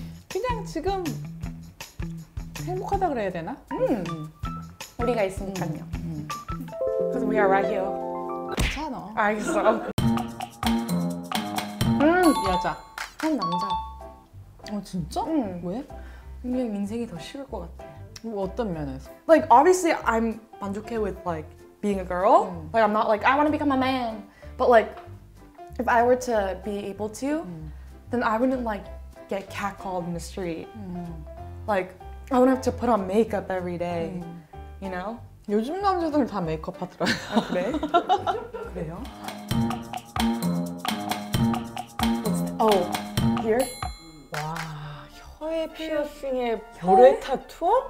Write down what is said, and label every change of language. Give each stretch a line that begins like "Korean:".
Korean: 그냥 지금 행복하다 그래야 되나? 우리가 있으니까요.
English: Cause we are right here.
Korean: 괜찮아. 알겠어. 여자 한 남자. 진짜? 왜? 그냥 인생이 더 쉬울 것 같아. 어떤 면에서?
English: Like obviously I'm
Korean: 만족해
English: with like being a girl. Like I'm not like I want to become a man. But like if I were to be able to, then I wouldn't like get catcalled in the street. Like I wouldn't have to put on makeup every day. You know?
Korean: 요즘 남자들 다 메이크업 하더라고. 아, 그래? 그래요?
English: Here.
Korean: 와, 혀에 피어싱에 볼에 타투?